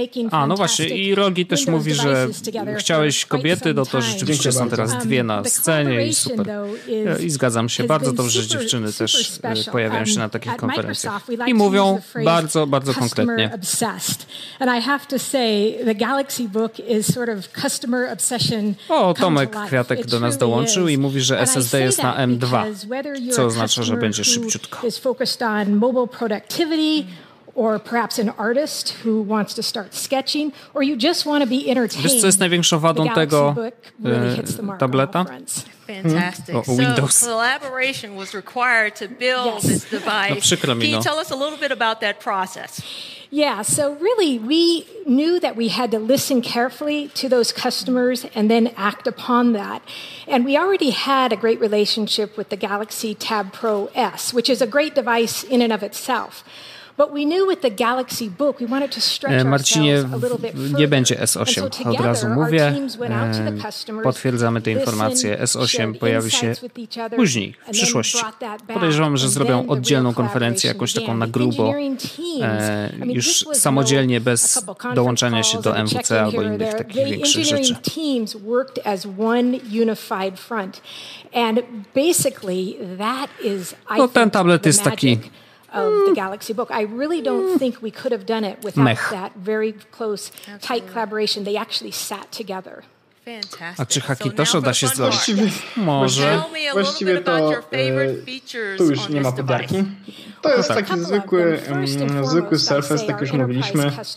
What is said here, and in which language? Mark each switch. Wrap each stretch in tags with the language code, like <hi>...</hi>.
<pl>A, no właśnie, i Rogi też mówi, że chciałeś kobiety, no to rzeczywiście są teraz dwie na scenie i super. I zgadzam się, bardzo dobrze, że dziewczyny też pojawiają się na takich konferencjach. I mówią bardzo, bardzo konkretnie.</pl> <en>And I have to say, the Galaxy Book is sort of customer obsession.</en> <pl>O, Tomek Kwiatek do nas dołączył i mówi, że SSD jest na M2, co oznacza, że będzie szybciutko.</pl> <en>Is focused on mobile productivity, or perhaps an artist who wants to start sketching, or you just want to be entertained.</en> <pl>Wiesz, co jest największą wadą tego tableta?</pl> <en>Fantastic. So collaboration was required to build this device.</en> <pl>No, przykro mi, no.</pl> <en>Can you tell us a little bit about that process? Yeah, so really we knew that we had to listen carefully to those customers and then act upon that. And we already had a great relationship with the Galaxy Tab Pro S, which is a great device in and of itself. But we knew with the Galaxy Book we wanted to stretch ourselves a little bit further.</en> <pl>Nie będzie S8, od razu mówię. Potwierdzamy tę informację. S8 pojawi się później, w przyszłości. Podejrzewam, że zrobią oddzielną konferencję, jakąś taką na grubo, już samodzielnie, bez dołączania się do MWC albo innych takich większych rzeczy.</pl> <en>Teams worked as one unified front. And basically that is,</en> <pl>no, ten tablet jest taki</pl> <en>of the Galaxy Book. I really don't think we could have done it without that very close, tight collaboration. They actually sat together.</en> <pl>A czy Hakitosho da się zrobić? Może. Właściwie to tu już nie ma podarki. To jest taki zwykły, zwykły surface, tak już mówiliśmy.</pl>